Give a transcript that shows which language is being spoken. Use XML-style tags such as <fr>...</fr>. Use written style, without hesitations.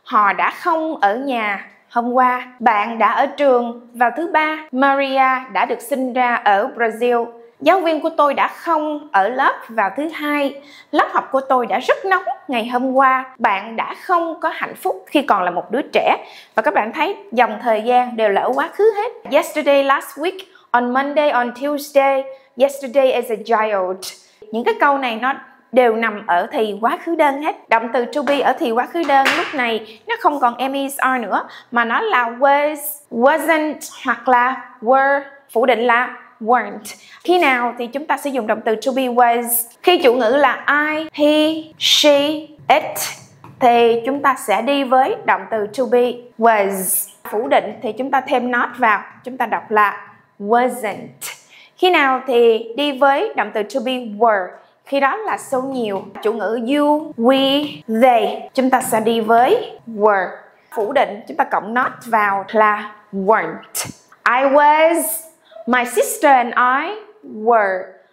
<vi>Họ đã không ở nhà hôm qua. Bạn đã ở trường vào thứ ba. Maria đã được sinh ra ở Brazil. Giáo viên của tôi đã không ở lớp vào thứ hai. Lớp học của tôi đã rất nóng ngày hôm qua. Bạn đã không có hạnh phúc khi còn là một đứa trẻ. Và các bạn thấy dòng thời gian đều là ở quá khứ hết.</vi> <en>Yesterday, last week, on Monday, on Tuesday, yesterday as a child.</en> <vi>Những cái câu này nó đều nằm ở thì quá khứ đơn hết. Động từ to be ở thì quá khứ đơn lúc này nó không còn am, is, are nữa, mà nó là was, wasn't hoặc là were, phủ định là weren't. Khi nào thì chúng ta sử dụng động từ to be was? Khi chủ ngữ là I, he, she, it thì chúng ta sẽ đi với động từ to be was. Phủ định thì chúng ta thêm not vào, chúng ta đọc là wasn't. Khi nào thì đi với động từ to be were? Khi đó là số nhiều. Chủ ngữ you, we, they. Chúng ta sẽ đi với were. Phủ định, chúng ta cộng not vào là weren't.</vi> <en>I was, my sister and I were.</en>